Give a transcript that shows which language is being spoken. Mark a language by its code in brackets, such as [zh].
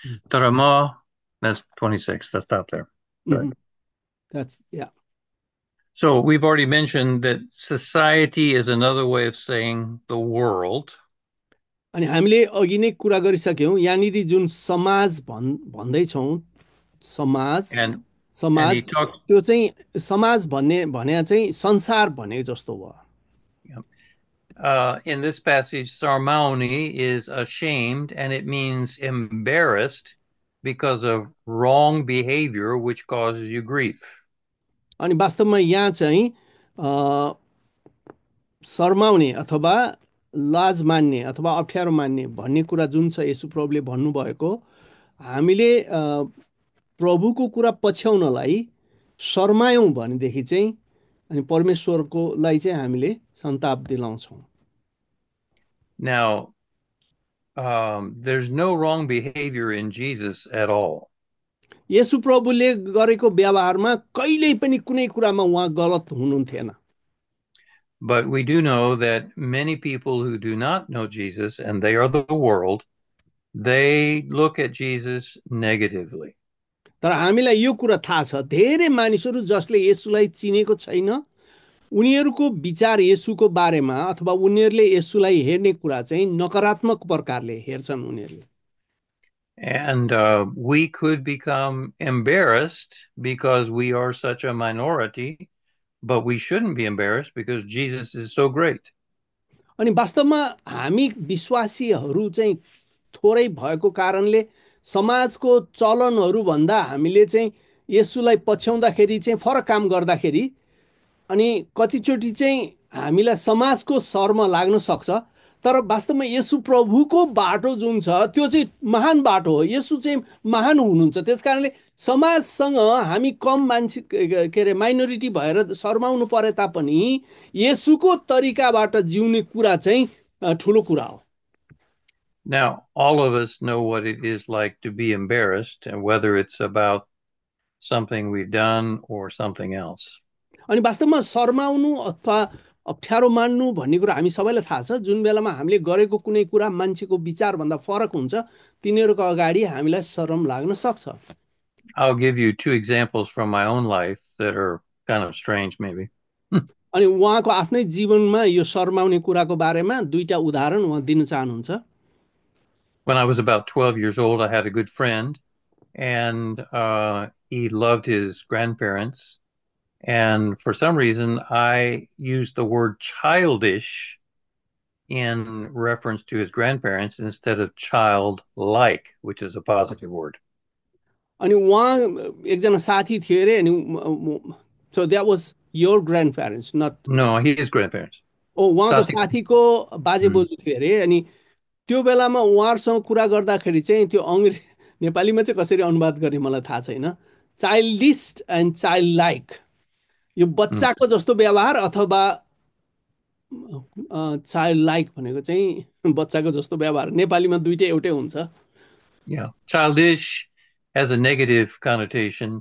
[ne] तर म [en] that's 26, let's stop there. Good. That's yeah. So we've already mentioned that society is another way of saying the world. [ne] अनि हामीले अघि नै कुरा गरिसक्यौँ, यहाँनिर जुन समाज भन्दैछौँ, [en] And he [ne] समाज [en] talks. [ne] त्यो चाहिँ समाज भन्ने भने चाहिँ संसार भने जस्तो भयो। [en] In this passage, sarmaoni is ashamed, and it means embarrassed because of wrong behavior, which causes you grief. [ne] अनि वास्तवमा यहाँ चाहिँ शर्माउने अथवा लाज मान्ने अथवा अप्ठ्यारो मान्ने भन्ने कुरा जुन छ येशुप्रभुले भन्नुभएको, हामीले प्रभुको कुरा पछ्याउनलाई शर्मायौँ भनेदेखि चाहिँ अनि परमेश्वरकोलाई चाहिँ हामीले सन्ताप दिलाउँछौँ। [en] Now, there's no wrong behavior in Jesus at all. [ne] Yeshu प्रभुले गरेको व्यवहारमा कहिल्यै पनि कुनै कुरामा उहाँ गलत हुनुहुन्थेन। [en] But we do know that many people who do not know Jesus, and they are the world, they look at Jesus negatively. [ne] तर हामीलाई यो कुरा थाहा छ, धेरै मानिसहरू जसले येशुलाई चिनेको छैन उनीहरूको विचार येशुको बारेमा अथवा उनीहरूले येशुलाई हेर्ने कुरा चाहिँ नकारात्मक प्रकारले हेर्छन् उनीहरूले। [en] And we could become embarrassed because we are such a minority, but we shouldn't be embarrassed because Jesus is so great. [ne] अनि वास्तवमा हामी विश्वासीहरू चाहिँ थोरै भएको कारणले समाजको चलनहरू भन्दा हामीले चाहिँ यसुलाई पछ्याउँदाखेरि चाहिँ फरक काम गर्दाखेरि अनि कतिचोटि चाहिँ हामीलाई समाजको शर्म लाग्न सक्छ, तर वास्तवमा येशु प्रभुको बाटो जुन छ त्यो चाहिँ महान बाटो हो। येशु चाहिँ महान हुनुहुन्छ, त्यस कारणले समाजसँग हामी कम मान्छे के अरे माइनोरिटी भएर शर्माउनु परे तापनि येशुको तरिकाबाट जिउने कुरा चाहिँ ठुलो कुरा हो। [en] Now, all of us know what it is like to be embarrassed, and whether it's about something we've done or something else. [ne] अनि वास्तवमा शर्माउनु अथवा अप्ठ्यारो मान्नु भन्ने कुरा हामी सबैलाई थाहा छ, जुन बेलामा हामीले गरेको कुनै कुरा मान्छेको विचारभन्दा फरक हुन्छ तिनीहरूको अगाडि हामीलाई शरम लाग्न सक्छ। [en] I'll give you two examples from my own life that are kind of strange, maybe. [ne] अनि उहाँको आफ्नै जीवनमा यो शर्माउने कुराको बारेमा दुईटा उदाहरण उहाँ दिन चाहनुहुन्छ। [en] When I was about 12 years old, I had a good friend, and he loved his grandparents. And for some reason, I used the word childish in reference to his grandparents instead of childlike, which is a positive word. [ne] अनि उहाँ एकजना साथी थियो अरे अनि [en] So that was your grandparents not No, he is grandparents. [ne] ओ उहाँको साथीको. साथीको बाजे बोजू थियो अरे अनि त्यो बेलामा उहाँहरूसँग कुरा गर्दाखेरि चाहिँ त्यो अङ्ग्रेजी नेपालीमा चाहिँ कसरी अनुवाद गर्ने मलाई थाहा छैन चाइल्डिस्ट एन्ड चाइल्ड लाइक यो बच्चाको जस्तो व्यवहार अथवा चाइल्ड लाइक भनेको चाहिँ बच्चाको जस्तो व्यवहार नेपालीमा दुइटै एउटै हुन्छ [en] Yeah, childish has a negative connotation.